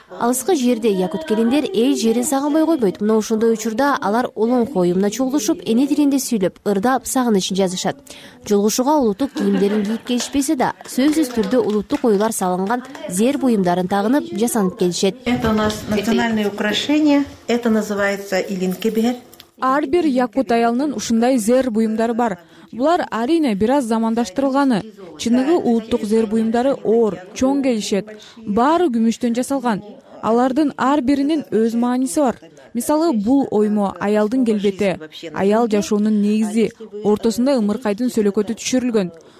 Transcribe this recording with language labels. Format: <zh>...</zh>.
<ky>Алыскы жерде якут келиндер эл жерин сагынбай койбойт. Мына ошондой учурда алар улун коюмуна чогулушуп, эне тилинде сүйлөп, ырдап, сагынычын жазышат. Жолугушууга улуттук кийимдерин кийип келишпесе да, сөзсүз түрдө улуттук оюлар салынган зер буюмдарын тагынып, жасанып келишет.</ky> <ru>Это у нас национальное украшение. Это называется илинкебер.</ru> <ky>Ар бир якут аялынын ушундай зер буюмдары бар. Булар арине бир аз замандаштырылганы. Чыныгы улуттук зер буюмдары оор, чоң келишет. Баары күмүштөн жасалган. Алардын ар биринин өз мааниси бар. Мисалы, бул оймо аялдын келбети, аял жашоонун негизи, ортосунда ымыркайдын сөлөкөтү түшүрүлгөн.</ky>